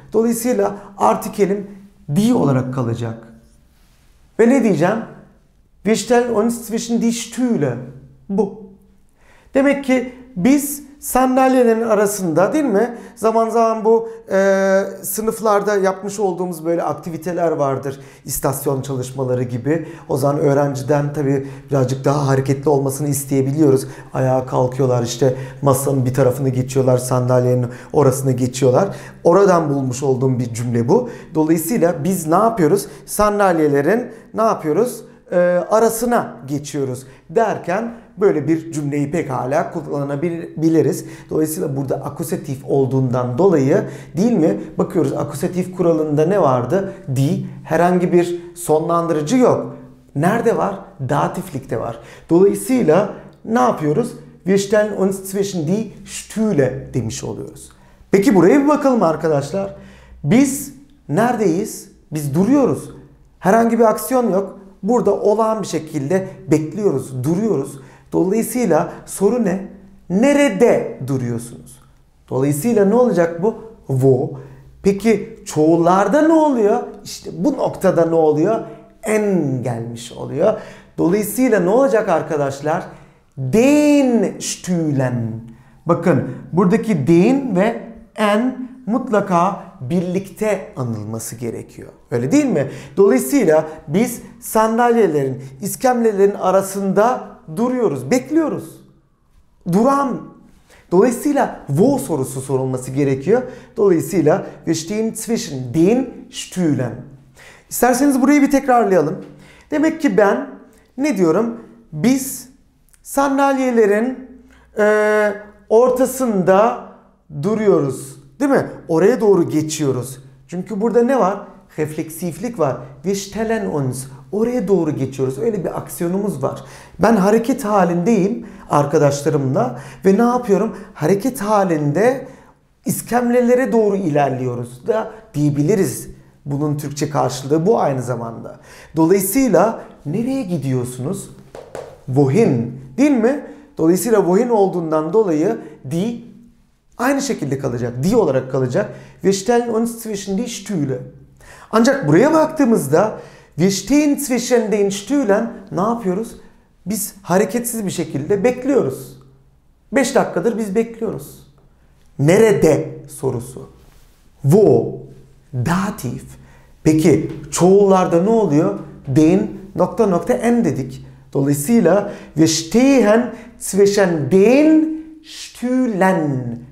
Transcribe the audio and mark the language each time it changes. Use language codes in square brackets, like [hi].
[tr] Dolayısıyla artikelim die olarak kalacak. Ve ne diyeceğim? [de] Wir stellen uns zwischen die Stühle. [tr] Bu. Demek ki biz sandalyelerin arasında değil mi? Zaman zaman bu sınıflarda yapmış olduğumuz böyle aktiviteler vardır. İstasyon çalışmaları gibi. O zaman öğrenciden tabii birazcık daha hareketli olmasını isteyebiliyoruz. Ayağa kalkıyorlar işte masanın bir tarafını geçiyorlar, sandalyenin orasını geçiyorlar. Oradan bulmuş olduğum bir cümle bu. Dolayısıyla biz ne yapıyoruz? Sandalyelerin ne yapıyoruz? Arasına geçiyoruz derken böyle bir cümleyi pekala kullanabiliriz. Dolayısıyla burada akusatif olduğundan dolayı değil mi? Bakıyoruz akusatif kuralında ne vardı? Di, herhangi bir sonlandırıcı yok. Nerede var? Datiflikte var. Dolayısıyla ne yapıyoruz? [de] Wir stellen uns zwischen die Stühle [tr] demiş oluyoruz. Peki buraya bir bakalım arkadaşlar. Biz neredeyiz? Biz duruyoruz. Herhangi bir aksiyon yok. Burada olağan bir şekilde bekliyoruz, duruyoruz. Dolayısıyla soru ne? Nerede duruyorsunuz? Dolayısıyla ne olacak bu? Wo. Peki çoğullarda ne oluyor? İşte bu noktada ne oluyor? En gelmiş oluyor. Dolayısıyla ne olacak arkadaşlar? [de] Den stühlen. [tr] Bakın buradaki den ve en mutlaka birlikte anılması gerekiyor. Öyle değil mi? Dolayısıyla biz sandalyelerin, iskemlelerin arasında duruyoruz, bekliyoruz. Duran. Dolayısıyla wo sorusu sorulması gerekiyor. Dolayısıyla [de] wir stehen zwischen den Stühlen. [tr] İsterseniz burayı bir tekrarlayalım. Demek ki ben ne diyorum? Biz sandalyelerin ortasında duruyoruz. Değil mi? Oraya doğru geçiyoruz. Çünkü burada ne var? Refleksiflik var. [de] Wir stellen uns. [tr] Oraya doğru geçiyoruz. Öyle bir aksiyonumuz var. Ben hareket halindeyim arkadaşlarımla ve ne yapıyorum? Hareket halinde iskemlelere doğru ilerliyoruz da diyebiliriz. Bunun Türkçe karşılığı bu aynı zamanda. Dolayısıyla nereye gidiyorsunuz? Wohin. Değil mi? Dolayısıyla wohin olduğundan dolayı die aynı şekilde kalacak. Die olarak kalacak. [de] Wir stellen uns zwischen die Stühle. [tr] Ancak buraya baktığımızda [de] wir stehen zwischen den Stühlen [tr] ne yapıyoruz? Biz hareketsiz bir şekilde bekliyoruz. 5 dakikadır biz bekliyoruz. Nerede sorusu. Wo. Dativ. Peki çoğullarda ne oluyor? Den nokta nokta en dedik. Dolayısıyla [de] wir stehen zwischen den Stühlen.